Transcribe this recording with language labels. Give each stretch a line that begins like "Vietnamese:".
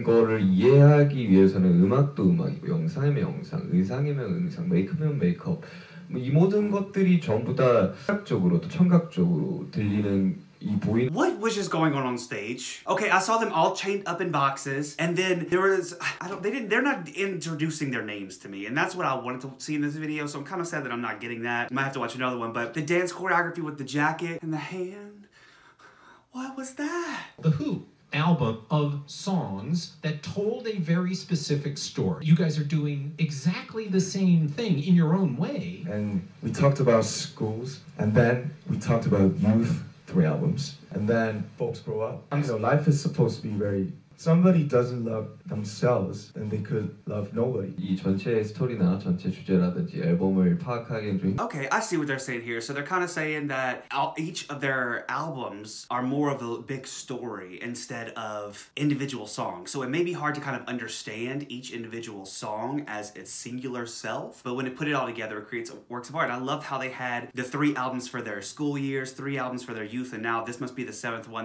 Korean: 이거를 이해하기 위해서는 음악도 음악이고 영상이면 영상, 의상이면 의상, 메이크업이면 메이크업. 이 모든 것들이 전부 다 시각적으로 또 청각적으로 들리는.
English: What was just going on stage? Okay, I saw them all chained up in boxes, and then there was, they're not introducing their names to me, and that's what I wanted to see in this video, so I'm kind of sad that I'm not getting that. Might have to watch another one, but the dance choreography with the jacket and the hand, what was that? The Who album of songs that told a very specific story. You guys are doing exactly the same thing in your own way. And we talked about schools, and then we talked about youth. Three albums, and then folks grow up. You know, life is supposed to be very. Somebody doesn't love themselves, then they could love nobody.
Korean: 이 전체 스토리나 전체 주제라든지 앨범을 파악하기엔 좀.
English: Okay, I see what they're saying here. So they're kind of saying that each of their albums are more of a big story instead of individual songs. So it may be hard to kind of understand each individual song as its singular self, but when it put it all together, it creates works of art. I love how they had the three albums for their school years, three albums for their youth, and now this must be the seventh one.